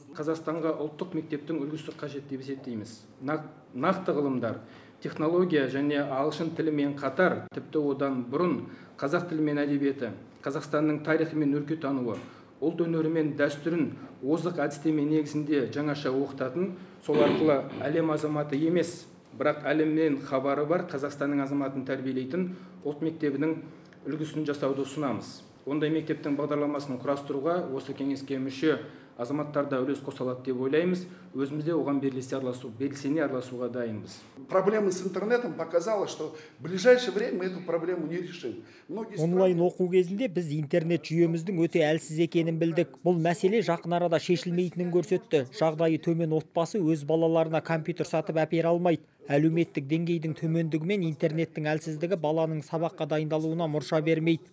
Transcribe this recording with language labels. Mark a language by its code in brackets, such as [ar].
[kk] Қазақстанға ұлттық мектептің үлгісі қажет деп есептейміз. Нақты ғылымдар, технология және ағылшын тілімен қатар, тіпті одан бұрын қазақ тілі мен әдебиеті, Қазақстанның тарихы мен өлкетануы, ұлт өнері мен дәстүрін озық әдістеме негізінде жаңаша оқытатын, сол арқылы әлем азаматы емес, бірақ әлемнен хабары бар Қазақстанның азаматын тәрбиелейтін ұлт мектебінің үлгісін жасауды ұсынамыз. Ондай мектептің бағдарламасын құрастыруға осы кеңеске мүше азаматтар да үлес қоса алады деп ойлаймыз. Өзіміз де оған белсене араласуға дайынбыз. [ru] Проблема с интернетом показала, что в ближайшее время мы эту проблему не решим. [kk] Онлайн оқу кезінде біз интернет жүйеміздің өте әлсіз екенін білдік. Бұл мәселе жақын арада шешілмейтінін көрсетті. Жағдайы төмен отбасы өз балаларына компьютер сатып әпере алмайды. Әлеуметтік деңгейдің төмендігімен интернеттің әлсіздігі баланың сабаққа дайындалуына мұрша бермейді.